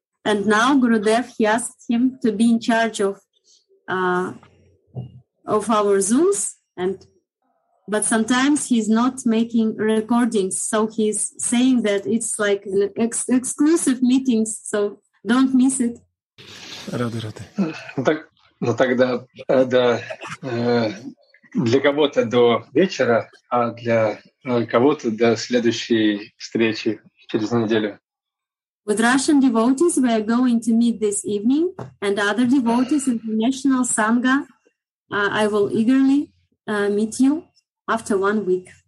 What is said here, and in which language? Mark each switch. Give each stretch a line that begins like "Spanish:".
English: And now Gurudev, he asked him to be in charge of our Zooms. But sometimes he's not making recordings. So he's saying that it's like an exclusive meetings. So don't miss it. Рады, рады.
Russian: Ну тогда, да, для кого-то до вечера, а для кого-то до следующей встречи через неделю.
English: With Russian devotees, we are going to meet this evening, and other devotees in the National Sangha, I will eagerly meet you after 1 week.